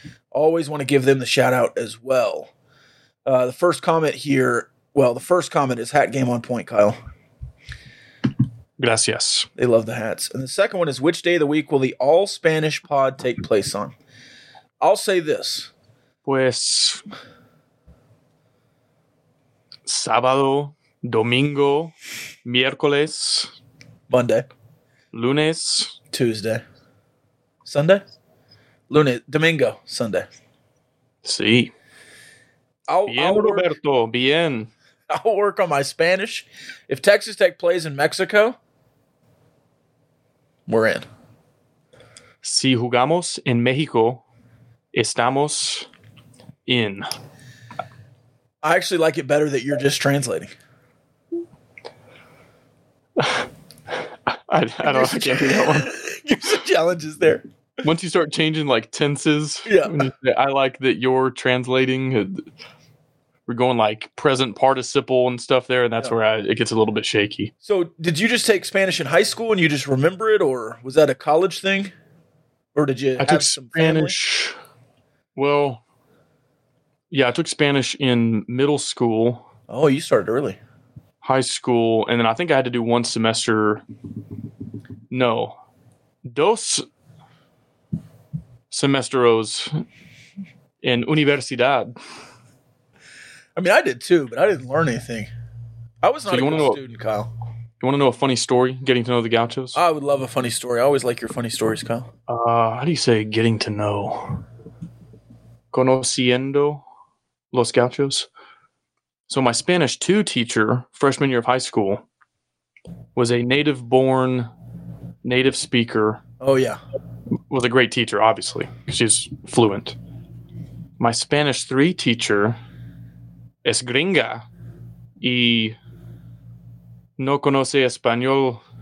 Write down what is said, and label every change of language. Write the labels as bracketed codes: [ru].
[en] Always want to give them the shout out as well. The first comment here, well, the first comment is hat game on point, Kyle. [es] Gracias. [en] They love the hats. And the second one is, which day of the week will the all Spanish pod take place on? I'll say this. [es] Pues, sábado, domingo, miércoles, [en] Monday, [es] lunes, [en] Tuesday. Sunday? [es] Lunes, domingo, [en] Sunday. [es] Sí. Bien, Roberto. [en] I'll work on my Spanish. If Texas Tech plays in Mexico, we're in. [es] Si jugamos en México, estamos in. [en] I actually like it better that you're just translating. I don't know. I can't do that one. Give some challenges there. Once you start changing like tenses, yeah. I like that you're translating. We're going like present participle and stuff there, and that's yeah. Where it gets a little bit shaky. So did you just take Spanish in high school and you just remember it, or was that a college thing? Or did you I took some Spanish. Family? Well, yeah, I took Spanish in middle school. Oh, you started early. High school, and then I think I had to do one semester. [es] No. Dos semesteros in universidad. [en] I mean, I did too, but I didn't learn anything. I was not a good student, Kyle. You want to know a funny story, getting to know the Gauchos? I would love a funny story. I always like your funny stories, Kyle. How do you say getting to know? [es] Conociendo los Gauchos. [en] So my Spanish 2 teacher, freshman year of high school, was a native-born, native speaker. Oh, yeah. Was a great teacher, obviously. She's fluent. My Spanish 3 teacher [es] es gringa y no conoce español